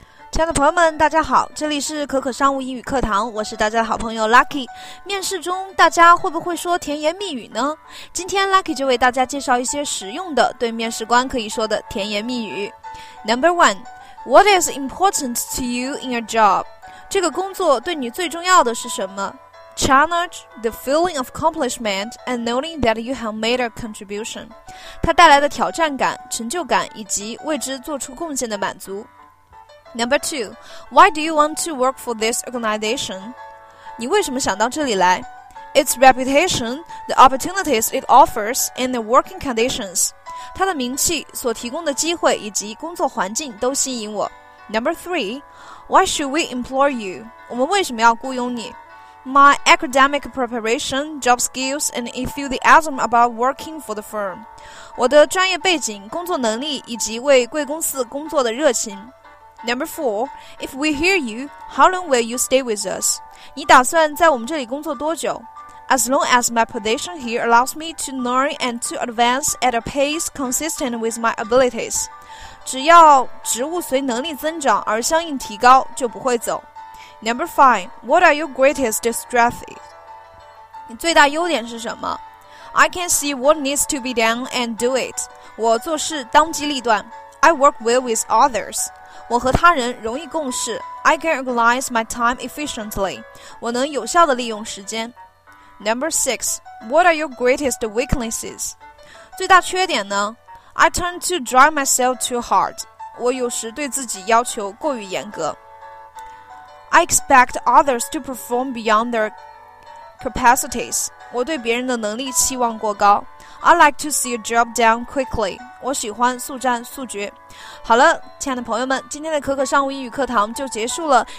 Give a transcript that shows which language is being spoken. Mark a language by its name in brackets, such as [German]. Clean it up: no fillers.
[Chinese] 亲爱的朋友们，大家好，这里是可可商务英语课堂，我是大家的好朋友 Lucky。面试中大家会不会说甜言蜜语呢？今天 Lucky 就为大家介绍一些实用的对面试官可以说的甜言蜜语。 [English] Number one, What is important to you in your job? [Chinese] 这个工作对你最重要的是什么？ [English] Challenge the feeling of accomplishment and knowing that you have made a contribution. [Chinese] 它带来的挑战感、成就感以及为之做出贡献的满足。 [English] Number two, why do you want to work for this organization? [Chinese] 你为什么想到这里来？ [English] Its reputation, the opportunities it offers, and the working conditions. [Chinese] 它的名气、所提供的机会以及工作环境都吸引我。 [English] Number three, why should we employ you? [Chinese] 我们为什么要雇佣你？ [English] My academic preparation, job skills, and enthusiasm about working for the firm. [Chinese] 我的专业背景、工作能力以及为贵公司工作的热情。 [English] Number four, if we hire you, how long will you stay with us? [Chinese] 你打算在我们这里工作多久？ [English] As long as my position here allows me to learn and to advance at a pace consistent with my abilities. [Chinese] 只要职务随能力增长而相应提高，就不会走。 [English] Number five, what are your greatest strengths? [Chinese] 你最大优点是什么？ [English] I can see what needs to be done and do it. [Chinese] 我做事当机立断。 [English] I work well with others. [Chinese] 我和他人容易共事。 [English] I can organize my time efficiently. [Chinese] 我能有效地利用时间。 [English] Number 6. What are your greatest weaknesses? [Chinese] 最大缺点呢？ [English] I tend to drive myself too hard. [Chinese] 我有时对自己要求过于严格。 [English] I expect others to perform beyond their capacities. [Chinese] 我对别人的能力期望过高。 [English] I like to see a job done quickly. [Chinese] 我喜欢速战速决。好了，亲爱的朋友们，今天的可可商务英语课堂就结束了。